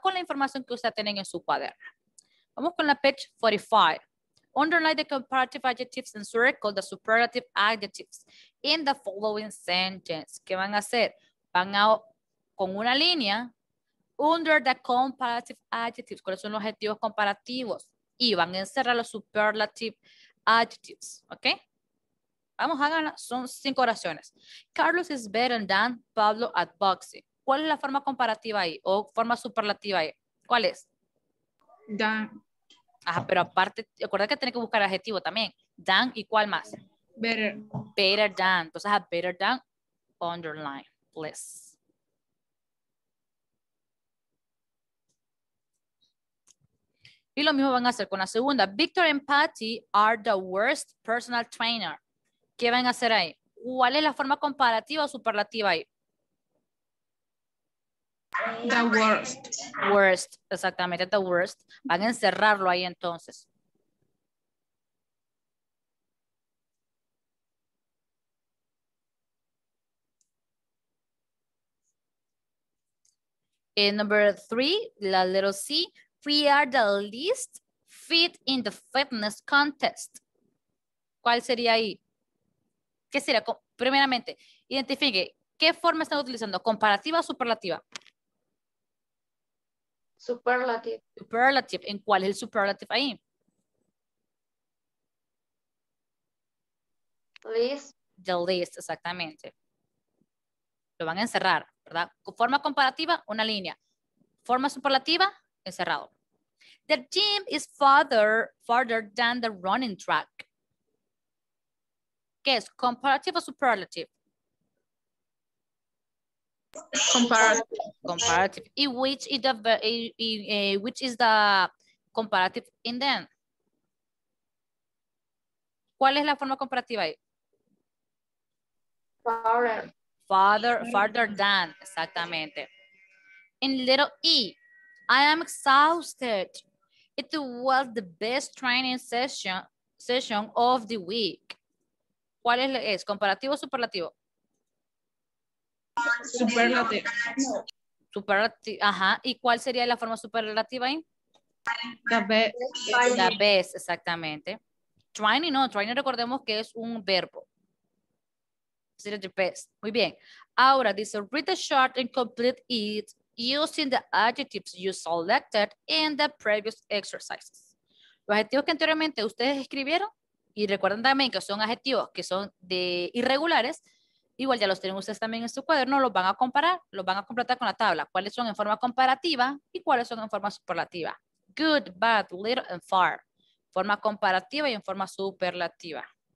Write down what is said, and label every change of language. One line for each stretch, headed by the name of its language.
Spanish: Con la información que ustedes tienen en su cuaderno. Vamos con la page 45.
English: Underline the comparative adjectives and circle the superlative adjectives in the following sentence.
Spanish: ¿Qué van a hacer? Van a, con una línea,
English: under the comparative adjectives.
Spanish: ¿Cuáles son los adjetivos comparativos? Y van a encerrar los
English: superlative adjectives,
Spanish: ¿ok? Vamos, háganla. Son 5 oraciones.
English: Carlos is better than Pablo at boxing.
Spanish: ¿Cuál es la forma comparativa ahí? ¿O forma superlativa ahí? ¿Cuál es? Dan. Ajá, pero aparte, acuérdate que tiene que buscar adjetivo también. Dan, ¿y cuál más?
English: Better. Better than. Entonces, better than, underline, please.
Spanish: Y lo mismo van a hacer con la segunda.
English: Victor and Patty are the worst personal trainer.
Spanish: ¿Qué van a hacer ahí? ¿cuál es la forma comparativa o superlativa ahí?
English: The worst. Worst,
Spanish: exactamente,
English: the worst.
Spanish: Van a encerrarlo ahí entonces.
English: In number three,
Spanish: la letra C,
English: we are the least fit in the fitness contest.
Spanish: ¿Cuál sería ahí? ¿Qué sería? Primeramente, identifique, ¿qué forma están utilizando? ¿Comparativa o superlativa?
English: Superlative. Superlative.
Spanish: ¿En cuál es el superlative ahí?
English: Least. The least,
Spanish: exactamente. Lo van a encerrar, ¿verdad? Forma comparativa, una línea. Forma superlativa, encerrado.
English: The gym is farther than the running track.
Spanish: ¿Qué es? ¿Comparativo o superlative?
English: Comparative. Comparative. ¿Y which is the which is the comparative in them?
Spanish: ¿Cuál es la forma comparativa ahí?
English: Farther than,
Spanish: exactamente.
English: In little E, I am exhausted. It was the best training session of the week.
Spanish: ¿Cuál es? ¿Comparativo o superlativo? Superlativo. Superlativo, ajá. ¿Y cuál sería la forma superlativa ahí?
English: The best. The best,
Spanish: exactamente. Training, no. Training, recordemos que es un verbo. Sería the best. Muy bien. Ahora, dice,
English: read the short and complete it using the adjectives you selected in the previous exercises.
Spanish: Los adjetivos que anteriormente ustedes escribieron, y recuerden también que son adjetivos que son de irregulares, igual ya los tienen ustedes también en su cuaderno, los van a comparar, los van a completar con la tabla. ¿Cuáles son en forma comparativa y cuáles son en forma superlativa?
English: Good, bad, little, and far.
Spanish: Forma comparativa y en forma superlativa.